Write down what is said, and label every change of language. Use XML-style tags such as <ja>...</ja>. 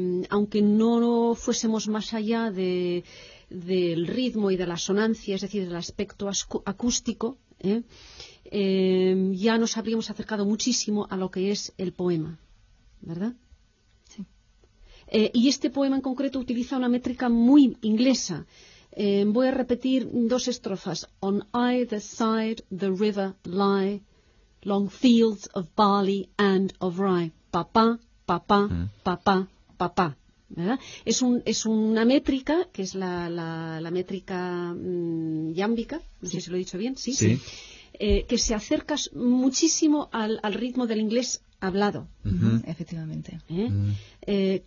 <es>Aunque no fuésemos más allá del ritmo y de la sonancia, es decir, del aspecto acústico, ya nos habríamos acercado muchísimo a lo que es el poema, ¿verdad? Sí. Y este poema en concreto utiliza una métrica muy inglesa. Voy a repetir dos estrofas.</es> <en>On either side the river lie long fields of barley and of rye. Papá, papá, papá, papá. ¿Verdad?</en> <es>Es una métrica, que es la métrica iámbica, no sé si lo he dicho bien, sí. Que se acerca muchísimo al ritmo del inglés hablado. Uh-huh. Efectivamente. ¿Eh? Uh-huh.</es>